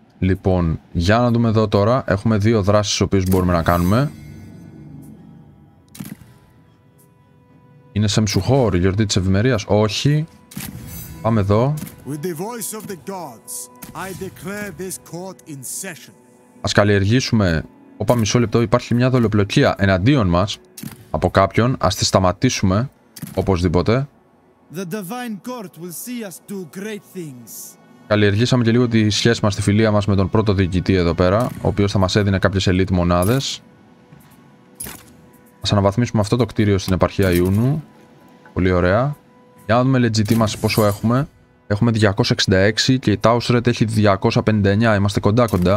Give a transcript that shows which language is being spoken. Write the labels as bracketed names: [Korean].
[Greek] Λοιπόν, για να δούμε εδώ τώρα. Έχουμε δύο δράσεις τις οποίες μπορούμε να κάνουμε. Είναι σε Μσουχόρ, γιορτή της Ευημερίας. Όχι. Πάμε εδώ. [English] With the voice of the gods, I declare this court in session. [Greek] Ας καλλιεργήσουμε. Όπα, μισό λεπτό, υπάρχει μια δολοπλοκία εναντίον μας από κάποιον. Ας τη σταματήσουμε οπωσδήποτε. [English] The divine court will see us do great things. [Greek] Καλλιεργήσαμε και λίγο τη σχέση μας, τη φιλία μας με τον πρώτο διοικητή εδώ πέρα, ο οποίος θα μας έδινε κάποιες elite μονάδες. Ας αναβαθμίσουμε αυτό το κτίριο στην επαρχία Ιούνου. Πολύ ωραία. Για να δούμε legit μας πόσο έχουμε. Έχουμε 266 και η Tausret έχει 259. Είμαστε κοντά κοντά.